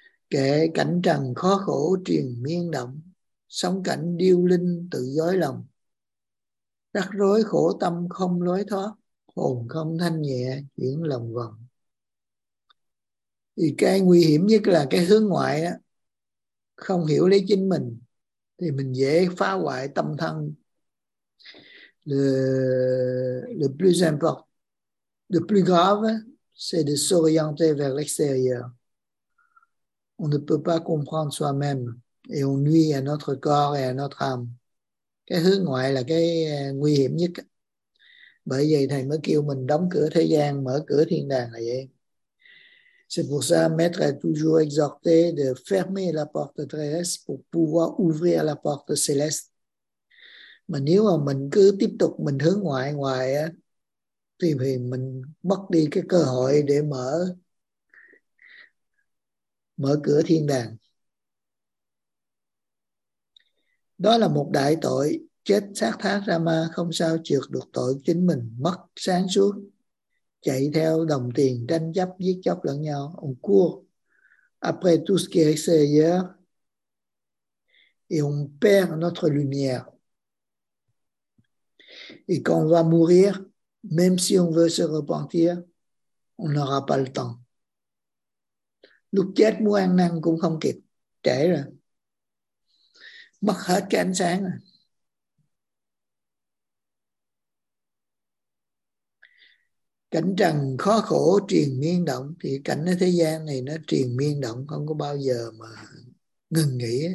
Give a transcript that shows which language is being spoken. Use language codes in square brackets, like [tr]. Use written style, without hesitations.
[vi] Kể cảnh trần khó khổ triền miên động, sống cảnh điêu linh tự dối lòng, rắc rối khổ tâm không lối thoát, hồn không thanh nhẹ chuyển lòng vòng. Thì cái nguy hiểm nhất là cái hướng ngoại á, không hiểu lấy chính mình thì mình dễ phá hoại tâm thân. [fr] Le plus important, le plus grave, c'est de s'orienter vers l'extérieur. On ne peut pas comprendre soi-même et on nuit à notre corps et à notre âme. [vi] Cái hướng ngoại là cái nguy hiểm nhất. Bởi vậy thầy mới kêu mình đóng cửa thế gian, mở cửa thiên đàng là vậy. [fr] C'est pour ça maître a toujours exhorté de fermer la porte terrestre pour pouvoir ouvrir la porte céleste. [vi] Mà nếu mà mình cứ tiếp tục mình hướng ngoại ngoài á, thì mình mất đi cái cơ hội để mở cửa thiên đàng. Đó là một đại tội, chết xác thác ra ma, không sao trượt được tội chính mình, mất sáng suốt chạy theo đồng tiền, tranh chấp giết chóc lẫn nhau. [fr] On court après tout ce qui est extérieur et on perd notre lumière. Et quand on va mourir, même si on veut se repentir, on n'aura pas le temps. [vi] Lúc chết muốn ăn năn cũng không kịp, trễ rồi, mất hết cái ánh sáng rồi. Cảnh trần khó khổ triền miên động, thì cảnh ở thế gian này nó triền miên động, không có bao giờ mà ngừng nghỉ.